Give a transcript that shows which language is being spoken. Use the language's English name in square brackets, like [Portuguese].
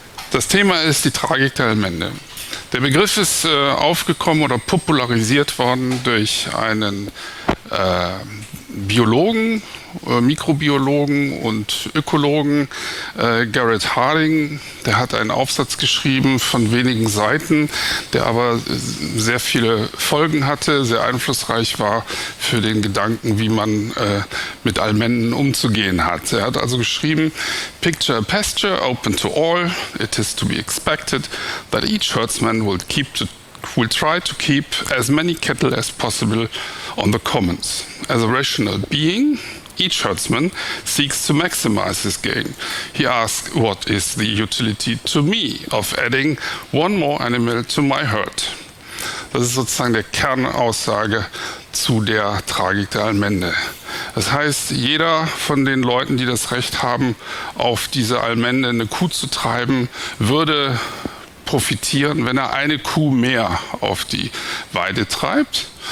[German] Das Thema ist die Tragik der Elemente. Der Begriff ist aufgekommen oder popularisiert worden durch einen Biologen, Mikrobiologen und Ökologen, Garrett Hardin. Der hat einen Aufsatz geschrieben von wenigen Seiten, der aber sehr viele Folgen hatte, sehr einflussreich war für den Gedanken, wie man mit Elementen umzugehen hat. Er hat also geschrieben: [English] "Picture a pasture open to all. It is to be expected that each herdsman will try to keep as many cattle as possible on the commons. As a rational being, each herdsman seeks to maximize his gain. He asks, what is the utility to me of adding one more animal to my herd?" [German] Das ist sozusagen der Kernaussage zu der Tragik der Allmende. Das heißt, jeder von den Leuten, die das Recht haben, auf diese Allmende eine Kuh zu treiben, würde profitieren, wenn er eine Kuh mehr auf die Weide treibt.